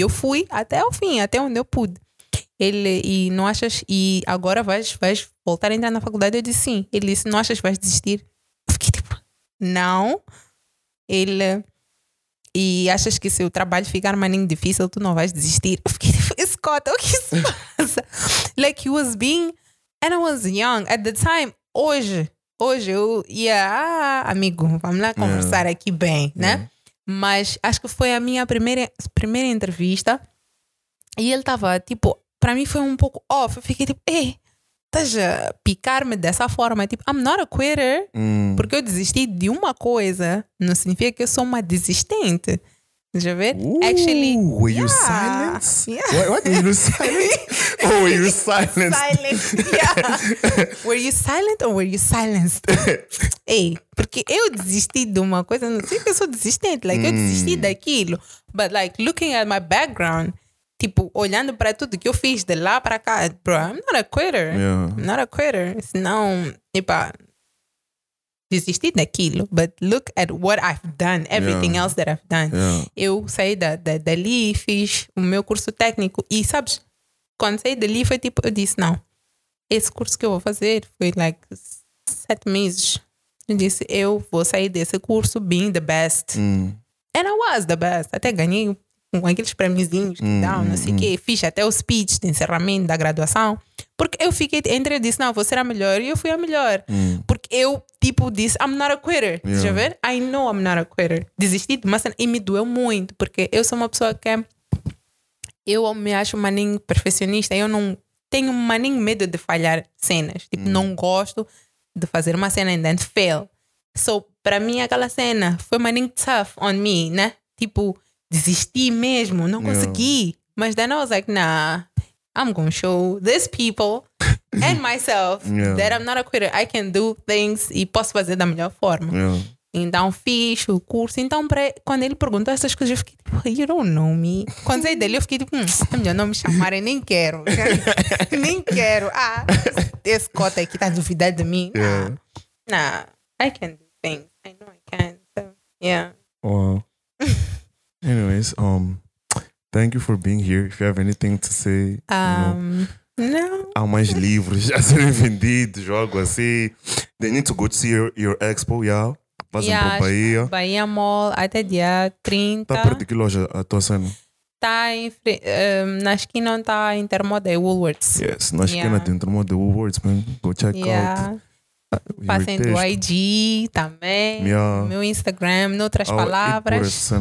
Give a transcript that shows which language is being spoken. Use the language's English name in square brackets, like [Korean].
[Portuguese] Eu fui até o fim, até onde eu pude. Ele: e não achas, e agora vais voltar a entrar na faculdade? Eu disse sim. Ele disse: não achas que vais desistir? Eu fiquei tipo, não. Ele: e achas que se o trabalho ficar mais difícil, tu não vais desistir? Eu fiquei tipo, Scott, o que se passa? [English] Like, he was being, and I was young at the time. [Portuguese] Hoje eu ia, amigo, vamos lá conversar aqui bem, né? Mas acho que foi a minha primeira entrevista e ele tava tipo, para mim foi um pouco off. Eu fiquei tipo, ei, estás a picar-me dessa forma? Tipo, [English] I'm not a quitter. [Portuguese] Porque eu desisti de uma coisa não significa que eu sou uma desistente. Deixa eu ver. Actually, [English] were you silent? Yeah. What? Were you silent? Or were you silenced? Silent, yeah. Were you silent or were you silenced? [Portuguese] Ei, porque eu desisti de uma coisa não significa que eu sou desistente. Like, eu desisti daquilo. [English] But like, looking at my background, [Portuguese] tipo, olhando para tudo que eu fiz de lá para cá, [English] bro, I'm not a quitter. Yeah. I'm not a quitter. [Portuguese] Senão, epa, desisti daquilo. [English] But look at what I've done, everything else that I've done. Yeah. [Portuguese] Eu saí dali e fiz o meu curso técnico. E sabes, quando saí dali, foi tipo, eu disse, não, esse curso que eu vou fazer foi like 7 meses. Eu disse, eu vou sair desse curso [English] being the best. And I was the best. [Portuguese] Até ganhei com aqueles prêmiozinhos que dão, não sei o quê. Fiz até o speech de encerramento da graduação. Porque eu fiquei entre, eu disse, não, vou ser a melhor. E eu fui a melhor. Porque eu, tipo, disse, [English] I'm not a quitter. [Portuguese] Deixa eu ver. [English] I know I'm not a quitter. [Portuguese] Desisti de uma cena. E me doeu muito. Porque eu sou uma pessoa que eu me acho maninho perfeccionista. Eu não tenho maninho medo de falhar cenas. Tipo, não gosto de fazer uma cena [English] and then fail. [Portuguese] So, para mim, aquela cena foi maninho [English] tough on me, [Portuguese] né? Tipo, desisti mesmo, não consegui. [English] Mas then I was like, nah, I'm gonna show these people and myself that I'm not a quitter. I can do things [Portuguese] e posso fazer da melhor forma. Então fiz o curso. Então, quando ele perguntou essas coisas, eu fiquei tipo, [English] you don't know me. [Portuguese] Quando saí dele, eu fiquei tipo, é melhor não me chamarem, nem quero. Nem quero. Ah, esse cota aqui tá duvidando de mim. [English] Nah, I can do things. I know I can. So, yeah. Wow. Anyways, thank you for being here. If you have anything to say, No. [Portuguese] Há mais livros a serem vendidos, jogo assim. [English] They need to go to see your expo, yeah. [Portuguese] Passem para Bahia. Bahia Mall, até dia 30. Está perto de que loja a tua cena? Está na esquina onde está a Intermoda e Woolworths. Yes, na esquina de Intermoda e Woolworths, man. [English] Go check out. [Portuguese] Passem do IG também, meu Instagram, noutras palavras.